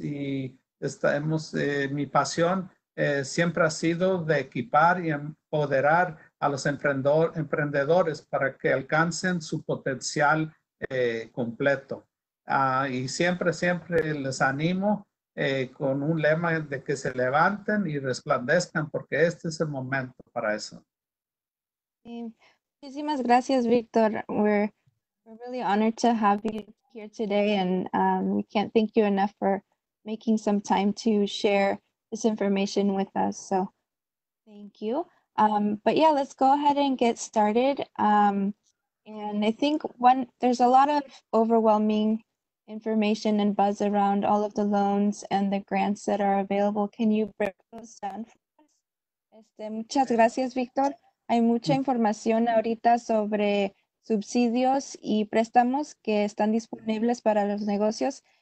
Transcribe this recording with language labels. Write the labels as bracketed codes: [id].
[es] Y estamos, mi pasión siempre ha sido de equipar y empoderar a los emprendedores para que alcancen su potencial completo. Y siempre les animo con un lema de que se levanten y resplandezcan, porque este es el momento para eso. Sí. Muchísimas gracias, Victor. [en] We're really honored to have you here today, and we can't thank you enough for making some time to share this information with us. So thank you. But yeah, let's go ahead and get started. And I think there's a lot of overwhelming information and buzz around all of the loans and the grants that are available. Can you break those down for us? [es] Muchas gracias, Victor. Hay mucha información ahorita sobre subsidios y préstamos que están disponibles para los negocios.